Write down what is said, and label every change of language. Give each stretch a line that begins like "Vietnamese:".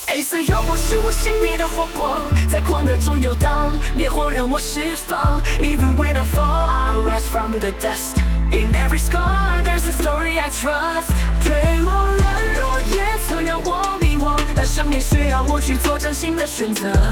Chinese: 黑色幽默是我心里的火锅，在狂热中游荡，烈火让我释放。
English: Even when I fall, I rise from the dust. In every scar, there's a story I trust.
Chinese: 坠落了落叶，测量我迷惘，但生命需要我去做真心的选择。